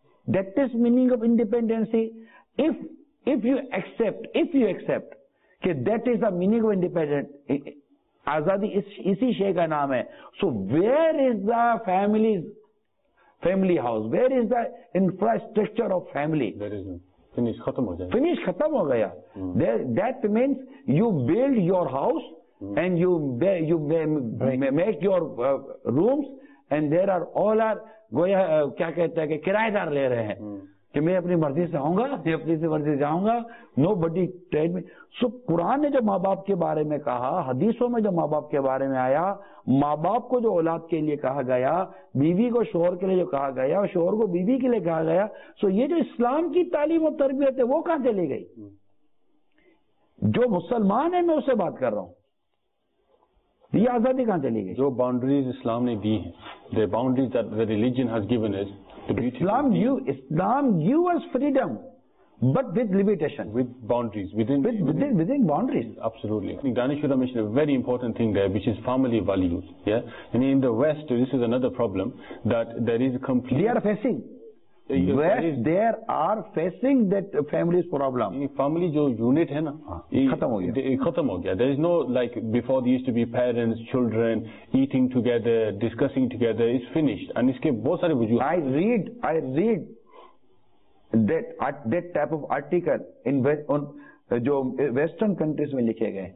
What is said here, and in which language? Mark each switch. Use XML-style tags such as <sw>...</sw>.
<en>That is meaning of independency. If you accept ke that is the meaning of independent,</en> <hi>azadi isi shay ka naam hai,</hi> <en>so where is the family house, where is the infrastructure of family?</en> <hi>Finish khatam ho gaya.</hi> <en>That means you build your house and you make your rooms, and there are all our</en> <hi>goya kya kehta hai ke kiraydar le rahe hain, कि मैं अपनी मर्जी से आऊंगा या अपनी मर्जी से जाऊंगा,</hi> <en>Nobody tell me.</en> <hi>सो कुरान ने जो माँ बाप के बारे में कहा, हदीसों में जो माँ बाप के बारे में आया, माँ बाप को जो औलाद के लिए कहा गया, बीवी को शोहर के लिए जो कहा गया, शोहर को बीवी के लिए कहा गया, सो ये जो इस्लाम की तालीम और तरबियत है वो कहां चली गई? जो मुसलमान है मैं उसे बात कर रहा हूं, ये आजादी कहां चली गई? जो बाउंड्रीज इस्लाम ने दी है,</hi> <en>The boundaries that the religion has given us, Islam give us freedom but with limitation, with boundaries, within boundaries. Absolutely, I think दानिशुदा mention a very important thing there which is family values, या and in the west this is another problem that there is complete, they are facing west, they are facing that family problem,</en> <hi>family जो unit है ना खत्म हो गया, खत्म हो गया।</hi> <en>There is no like before the use to be parents children eating together discussing together, is finished.</en> <hi>And इसके बहुत सारे वजूह,</hi> <en>I read that type of article in on</en> <hi>जो western countries में लिखे गए</hi>